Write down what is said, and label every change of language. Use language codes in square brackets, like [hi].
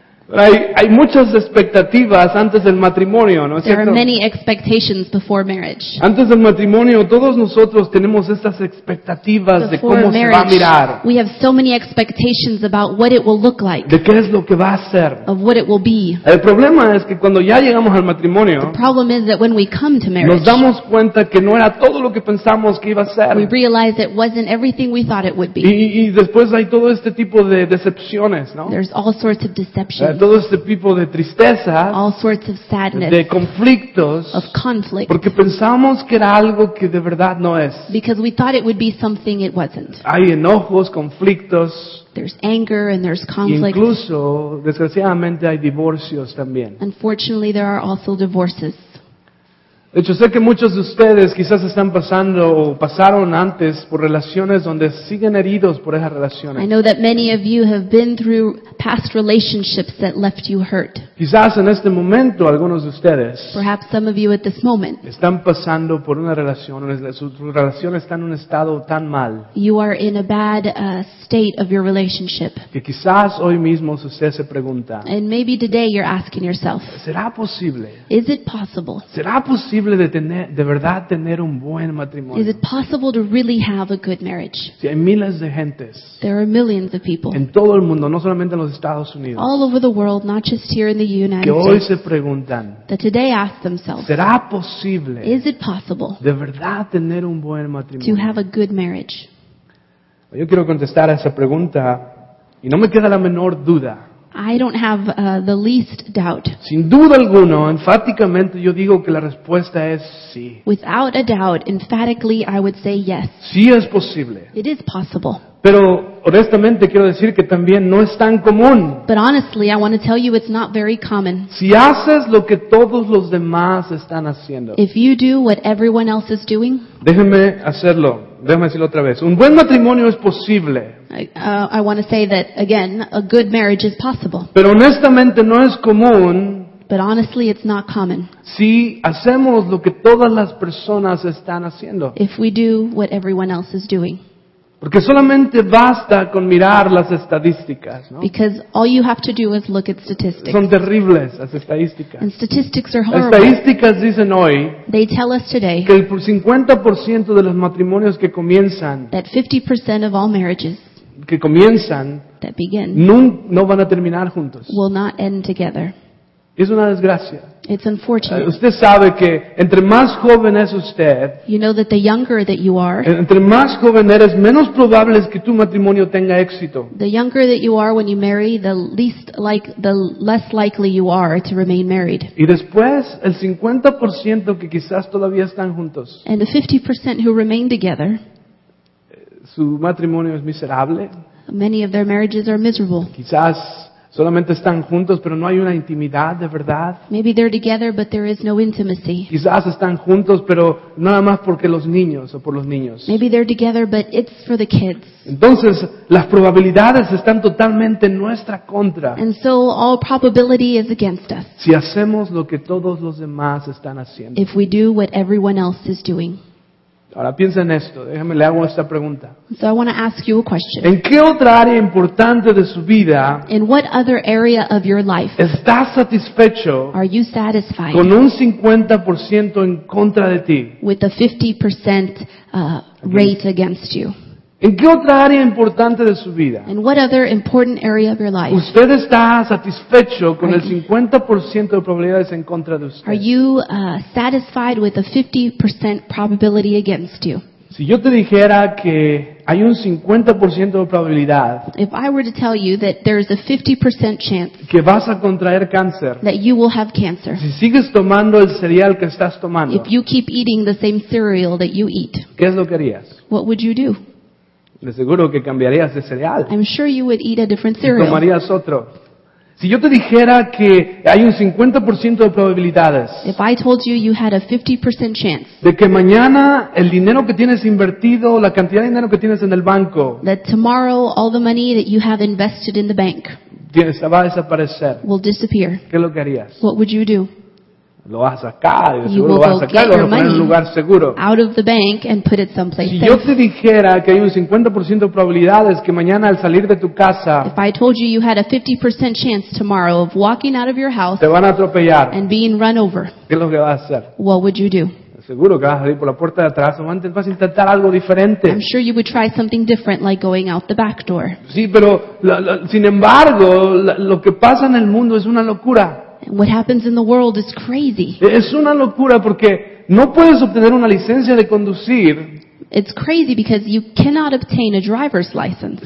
[es] Hay muchas expectativas antes del matrimonio, ¿no es cierto? [en] There are many expectations before marriage. [es] Antes del matrimonio, todos nosotros tenemos estas expectativas de cómo se va a mirar. [en] We have so many expectations about what it will look like. [es] De qué es lo que va a ser. [en] Of what it will be. [es] El problema es que cuando ya llegamos al matrimonio, [en] the problem is that when we come to marriage, [es] nos damos cuenta que no era todo lo que pensamos que iba a ser. [en] We realize it wasn't everything we thought it would be. [es] Y después hay todo este tipo de decepciones, ¿no? [en] There's all sorts of deceptions. [es] Todo este tipo de tristeza, [en] all sorts of sadness, [es] de conflictos, [en] of conflict, [es] porque pensamos que era algo que de verdad no es. [en] Because we thought it would be something it wasn't. [es] Hay enojos, conflictos. [en] There's anger and there's conflict. [es] Incluso, desgraciadamente, hay divorcios también. [en] Unfortunately, there are also divorces. [es] De hecho, sé que muchos de ustedes quizás están pasando o pasaron antes por relaciones donde siguen heridos por esas relaciones. [en] I know that many of you have been through past relationships that left you hurt. [es] Quizás en este momento algunos de ustedes [en] perhaps some of you at this moment [es] están pasando por una relación, su relación está en un estado tan mal. [en] You are in a bad state of your relationship. [es] Que quizás hoy mismo usted se pregunta. [en] And maybe today you're asking yourself. [es] ¿Será posible? [en] Is it possible? [es] ¿Será posible? ¿Es posible de verdad tener un buen matrimonio? [en] Is it possible to really have a good marriage? [es] Sí, hay miles de gentes. [en] There are millions of people. [es] En todo el mundo, no solamente en los Estados Unidos. [en] All over the world, not just here in the United [es] States. Que hoy [en] States, [es] se preguntan. [en] That today ask themselves. [es] ¿Será posible? [en] Is it possible? [es] De verdad tener un buen matrimonio. [en] To have a good marriage. [es] Yo quiero contestar a esa pregunta y no me queda la menor duda. [en] I don't have the least doubt. [es] Sin duda alguna, enfáticamente yo digo que la respuesta es sí. [en] Without a doubt, emphatically I would say yes. [es] Sí es posible. [en] It is possible. [es] Pero honestamente quiero decir que también no es tan común. [en] But honestly, I want to tell you it's not very common. [es] Si haces lo que todos los demás están haciendo. [en] If you do what everyone else is doing. [es] Déjeme hacerlo. Déjame decirlo otra vez. Un buen matrimonio es posible. [en] I want to say that again, a good marriage is possible. [es] Pero honestamente no es común. [en] But honestly, it's not common. [es] Si hacemos lo que todas las personas están haciendo. [en] If we do what everyone else is doing. [es] Porque solamente basta con mirar las estadísticas, ¿no? [en] Because all you have to do is look at statistics. [es] Son terribles las estadísticas. [en] And statistics are horrible. [es] Las estadísticas dicen hoy, [en] they tell us today, [es] que el 50% de los matrimonios que comienzan, [en] that 50% of all marriages, [es] que comienzan, [en] that begin, [es] no van a terminar juntos. [en] Will not end together. [es] Es una desgracia. [en] It's unfortunate. [es] Usted sabe que entre más joven es usted, [en] you know that the younger that you are, [es] entre más joven eres, menos probable es que tu matrimonio tenga éxito. [en] The younger that you are when you marry, the less likely you are to remain married. [es] Y después el 50% que quizás todavía están juntos. [en] And the 50% who remain together, [es] su matrimonio es miserable. [en] Many of their marriages are miserable. [es] Quizás solamente están juntos, pero no hay una intimidad de verdad. [en] Maybe they're together, but there is no intimacy. [es] Quizás están juntos, pero nada más porque los niños o por los niños. [en] Maybe they're together, but it's for the kids. [es] Entonces, las probabilidades están totalmente en nuestra contra. [en] And so all probability is against us. [es] Si hacemos lo que todos los demás están haciendo. [en] If we do what everyone else is doing. [es] Ahora piensa en esto, déjame le hago esta pregunta. [en] So I want to ask you a question. [es] ¿En qué otra área importante de su vida? [en] In what other area of your life? [es] ¿Estás satisfecho? [en] Are you satisfied? [es] Con un 50% en contra de ti. [en] With a 50% rate against you. [es] ¿En qué otra área importante de su vida? [en] In what other important area of your life? [es] ¿Usted está satisfecho con el 50% de probabilidades en contra de usted? [en] Are you satisfied with a 50% probability against you? [es] Si yo te dijera que hay un 50% de probabilidad, [en] if I were to tell you that there is a 50% chance [es] que vas a contraer cáncer, [en] that you will have cancer, [es] si sigues tomando el cereal que estás tomando, [en] if you keep eating the same cereal that you eat, [es] ¿qué es lo que harías? [en] What would you do? [es] De seguro que cambiarías de cereal. [en] I'm sure you would eat a different cereal. [es] Y tomarías otro. Si yo te dijera que hay un 50% de probabilidades, [en] if I told you you had a 50% chance, [es] de que mañana el dinero que tienes invertido, la cantidad de dinero que tienes en el banco, [en] that tomorrow all the money that you have invested in the bank, [es] tienes, va a desaparecer, [en] will disappear, [es] ¿qué es lo que harías? [en] What would you do? [es] Lo vas a sacar, seguro lo vas a sacar, lo vas a poner en un lugar seguro. [en] Out of the bank and put it someplace [es] safe. Si yo te dijera que hay un 50% de probabilidades que mañana al salir de tu casa, [en] if I told you you had a 50% chance tomorrow of walking out of your house, [es] te van a atropellar, [en] and being run over, [es] ¿qué es lo que vas a hacer? [en] What would you do? [es] Seguro que vas a salir por la puerta de atrás o antes vas a intentar algo diferente. [en] I'm sure you would try something different like going out the back door. [es] Sí, pero sin embargo, lo que pasa en el mundo es una locura. [en] What happens in the world is crazy. [es] Es una locura porque no puedes obtener una licencia de conducir. [en] It's crazy because you cannot obtain a driver's license.